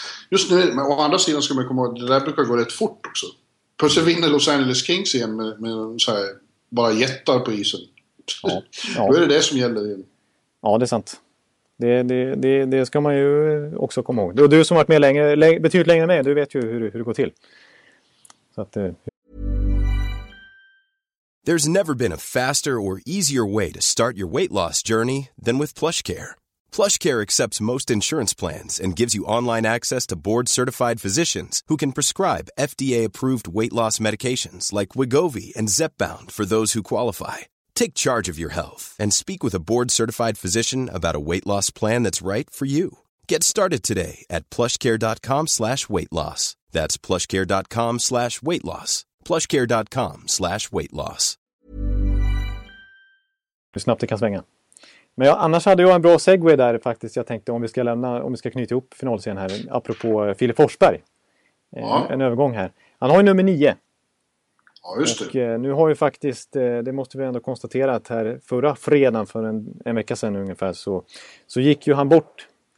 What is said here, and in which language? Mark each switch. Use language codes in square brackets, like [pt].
[sv] Just nu, men å andra sidan ska man komma ihåg, det där brukar gå rätt fort också. Plus vinner Los Angeles Kings igen med så här, bara jättar på isen. Ja, ja. Då är det som gäller. Ja, det är sant. Det ska man ju också komma ihåg. Du som varit med betydligt längre än mig, du vet ju hur det går till. Så att, [en] There's never been a faster or easier way to start your weight loss journey than with PlushCare. PlushCare accepts most insurance plans and gives you online access to board-certified physicians who can prescribe FDA-approved weight loss medications like Wegovy and Zepbound for those who qualify. Take charge of your health and speak with a board-certified physician about a weight loss plan that's right for you. Get started today at plushcare.com/weightloss. That's plushcare.com/weightloss. plushcare.com/weightloss. [sv] Hur snabbt det kan svänga. Men annars hade jag en bra segue där faktiskt. Jag tänkte om vi ska knyta ihop finalscenen här, apropå Filip Forsberg. Ja. En övergång här. Han har ju nummer 9. Ja, just det. Och nu har ju faktiskt, det måste vi ändå konstatera, att här förra fredagen, för en vecka sedan ungefär, så gick ju han bort.